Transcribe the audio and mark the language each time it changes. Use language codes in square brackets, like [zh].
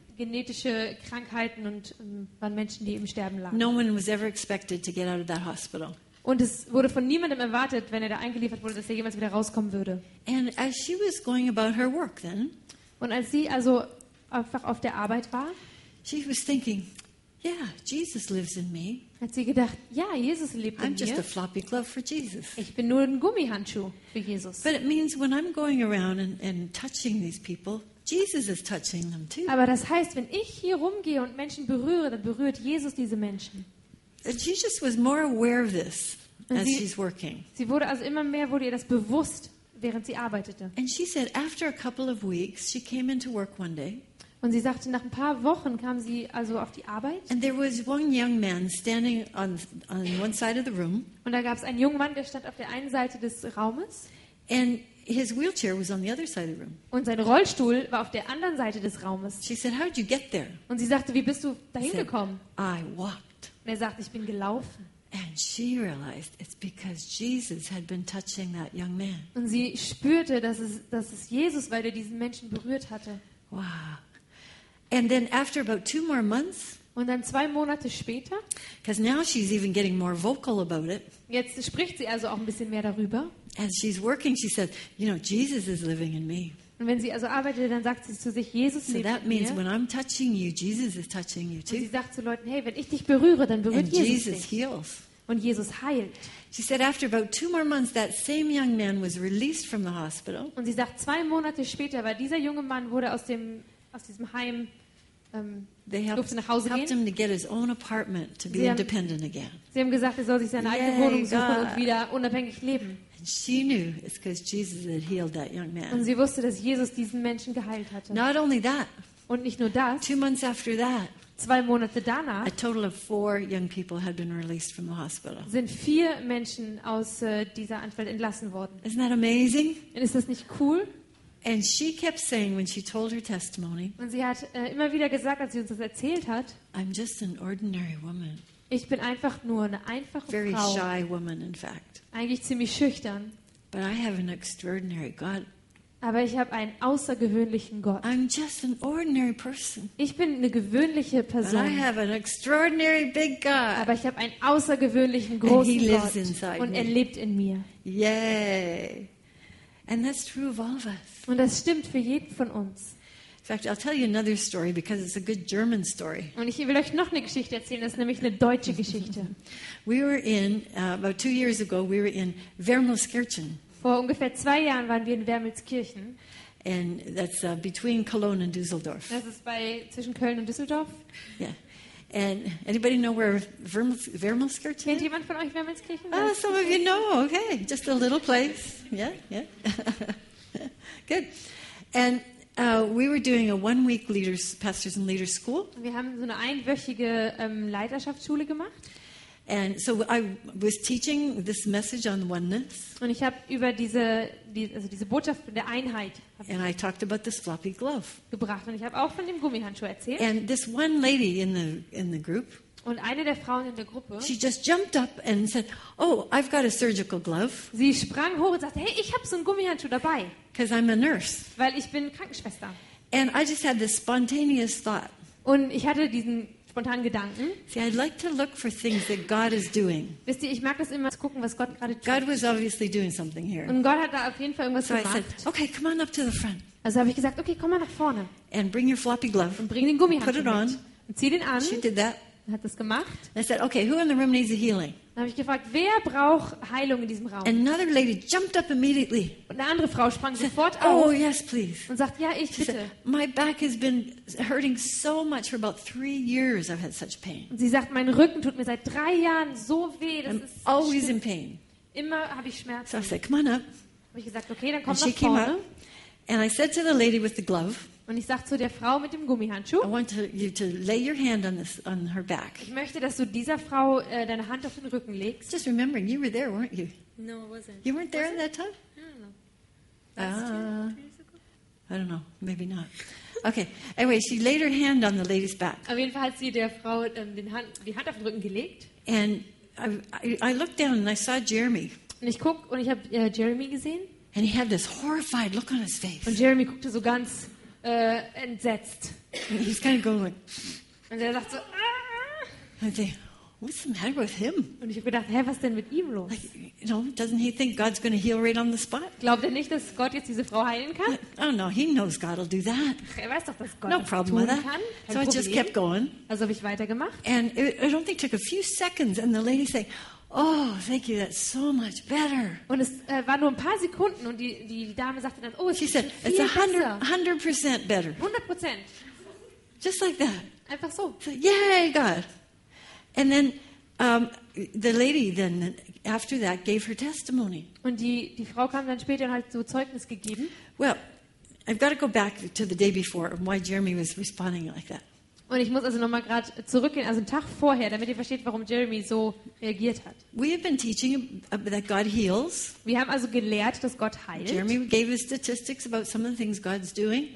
[de] Genetische Krankheiten und waren Menschen, die im Sterben lagen. [en] No one was ever expected to get out of that hospital. [de] Und es wurde von niemandem erwartet, wenn er da eingeliefert wurde, dass er jemals wieder rauskommen würde. [en] And as she was going about her work then, [de] und als sie also einfach auf der Arbeit war, [en] she was thinking, yeah, Jesus lives in me. [de] Hat sie gedacht, ja, Jesus lebt [en] I'm [de] in mir. [en] I'm just a floppy glove for Jesus. [de] Ich bin nur ein Gummihandschuh für Jesus. [en] But it means when I'm going around and touching these people, Jesus is touching them too. [de] Aber das heißt, wenn ich hier rumgehe und Menschen berühre, dann berührt Jesus diese Menschen. [en] And Jesus was more aware of this as she's working. [de] Sie wurde also immer mehr wurde ihr das bewusst, während sie arbeitete. [en] And she said after a couple of weeks she came into work one day. [de] Und sie sagte nach ein paar Wochen kam sie also auf die Arbeit. [en] And there was one young man standing on one side of the room. [de] Und da gab es einen jungen Mann, der stand auf der einen Seite des Raumes. [en] And his wheelchair was on the other side of the room. [de] Und sein Rollstuhl war auf der anderen Seite des Raumes. [en] She said, "How did you get there?" [de] Und sie sagte, wie bist du dahin gekommen? [en] I walked. [de] Und er sagt, ich bin gelaufen. [en] And she realized it's because Jesus had been touching that young man. [de] Und sie spürte, dass es Jesus war, der diesen Menschen berührt hatte. [en] Wow. And then after about two more months, [de] und dann zwei Monate später, [en] because now she's even getting more vocal about it. [de] Jetzt spricht sie also auch ein bisschen mehr darüber. [en] As she's working, she said, "You know, Jesus is living in me." [de] Und wenn sie also arbeitet, dann sagt sie zu sich, Jesus lebt in mir. [en] So that means when I'm touching you, Jesus is touching you too. [de] Und sie sagt zu Leuten, hey, wenn ich dich berühre, dann berührt [en] Jesus [de] dich. [en] And Jesus heals. [de] Und Jesus heilt. [en] She said after about two more months, that same young man was released from the hospital. [de] Und sie sagt, zwei Monate später war dieser junge Mann wurde aus diesem Heim durfte nach Hause gehen. [en] They helped him to get his own apartment to be independent again. [de] Sie haben gesagt, er soll sich seine eigene Wohnung suchen und wieder unabhängig leben. [en] She knew it's because Jesus had healed that young man. [de] Und sie wusste, dass Jesus diesen Menschen geheilt hatte. [en] Not only that. [de] Und nicht nur das. [en] Two months after that. [de] Zwei Monate danach. [en] A total of four young people had been released from the hospital. [de] Sind vier Menschen aus dieser Anstalt entlassen worden. [en] Isn't that amazing? [de] Und ist das nicht cool? [en] And she kept saying when she told her testimony. [de] Und sie hat immer wieder gesagt, als sie uns das erzählt hat. [en] I'm just an ordinary woman. [de] Ich bin einfach nur eine einfache [en] Very [de] Frau. [en] Very shy woman, in fact. [de] Eigentlich ziemlich schüchtern. [en] But I have an extraordinary God. [de] Aber ich habe einen außergewöhnlichen Gott. [en] I'm just an ordinary person. [de] Ich bin eine gewöhnliche Person. [en] I have an extraordinary big God. [de] Aber ich habe einen außergewöhnlichen großen [en] And he lives [de] Gott. [en] Inside [de] und [en] me. [de] Er lebt in mir. [en] Yay. And that's true of all of us. [de] Und das stimmt für jeden von uns. [en] In fact, I'll tell you another story because it's a good German story. [de] Und ich will euch noch eine Geschichte erzählen, das ist nämlich eine deutsche Geschichte. [en] We were in about two years ago we were in Wermelskirchen. [de] Vor ungefähr zwei Jahren waren wir in Wermelskirchen. [en] And that's between Cologne and Düsseldorf. [de] Das ist zwischen Köln und Düsseldorf. [en] Yeah. And anybody know where Wermelskirchen? [de] Kennt jemand von euch Wermelskirchen? [en] Oh, some of you know. Okay, just a little place. Yeah. Good. And we were doing a one-week leaders, pastors and leaders school. [de] Wir haben so eine einwöchige Leiterschaftsschule gemacht. [en] And so I was teaching this message on oneness. [de] Und ich habe über diese Botschaft der Einheit. [en] And I talked about this floppy glove. [de] Gebracht und ich habe auch von dem Gummihandschuh erzählt. [en] And this one lady in the group. [de] Und eine der Frauen in der Gruppe. [en] She just jumped up and said, "Oh, I've got a surgical glove." [de] Sie sprang hoch und sagte, "Hey, ich habe so einen Gummihandschuh dabei." [en] Because I'm a nurse. [de] Weil ich bin Krankenschwester. [en] And I just had this spontaneous thought. [de] Und ich hatte diesen spontanen Gedanken. [en] See, I'd like to look for things that God is doing. [de] Wisst ihr, ich mag das immer zu gucken, was Gott gerade tut. [en] God was obviously doing something here. [de] Und Gott hat da auf jeden Fall irgendwas gemacht. [en] So I said, "Okay, come on up to the front." [de] Also habe ich gesagt, okay, komm mal nach vorne. [en] And bring your floppy glove. [de] Und bring den Gummihandschuh. [en] Put it on. [de] Und zieh den an. [en] She did that. [de] Hat das gemacht. [en] I said, "Okay, who in the room needs a healing?" [de] Dann habe ich gefragt, wer braucht Heilung in diesem Raum? [en] Another lady jumped up immediately. [de] Und eine andere Frau sprang sofort auf. [en] "Oh, yes, please." [de] Und sagt, ja, ich bitte. [en] "My back has been hurting so much for about 3 years. I've had such pain." [de] Und sie sagt, mein Rücken tut mir seit 3 Jahren so weh. Das [en] I'm [de] ist [en] always [de] schlimm. [en] In pain. [de] Immer habe ich Schmerzen. [en] So I said, "Come on up." [de] Habe ich gesagt, okay, dann komm nach vorne. [en] Up, and I said to the lady with the glove. [de] Und ich sage zu der Frau mit dem Gummihandschuh. [en] I want you to lay your hand on this, on her back. [de] Ich möchte, dass du dieser Frau deine Hand auf den Rücken legst. [en] Just remembering, you were there, weren't you? No, I wasn't. You weren't there at that time? I don't know. I don't know. Maybe not. Okay. Anyway, she laid her hand on the lady's back. [de] Auf jeden Fall hat sie der Frau die Hand auf den Rücken gelegt. [en] And I looked down and I saw Jeremy. [de] Und ich guck und ich habe Jeremy gesehen. [en] And he had this horrified look on his face. [de] Und Jeremy guckte so ganz entsetzt. [en] And he's kind of going like. [de] Und er dachte so. [en] And I say, what's the matter with him? [de] Und ich habe gedacht, hä, was denn mit ihm los? [en] Like, you know, doesn't he think God's going to heal right on the spot? [de] Glaubt er nicht, dass Gott jetzt diese Frau heilen kann? [en] Oh no, he knows God will do that. [de] Er weiß doch, dass Gott no das problem tun [en] with that. [de] Kann. [en] So I just kept going. [de] Also habe ich weitergemacht. [en] And it only took a few seconds, and the lady said, oh, thank you, that's so much better. [de] Und es war nur ein paar Sekunden, und die Dame sagte dann, oh, es ist viel besser. [en] She said, it's 100% better. [de] 100%. [en] Just like that. [de] Einfach so. [en] So yay, God. And then the lady then after that gave her testimony. [de] Und die Frau kam dann später und hat so Zeugnis gegeben. [en] Well, I've got to go back to the day before and why Jeremy was responding like that. [de] Und ich muss also noch mal gerade zurückgehen, also einen Tag vorher, damit ihr versteht, warum Jeremy so reagiert hat. [en] We have been teaching that God heals. [de] Wir haben also gelehrt, dass Gott heilt. [en] Jeremy gave us statistics about some of the things God's doing.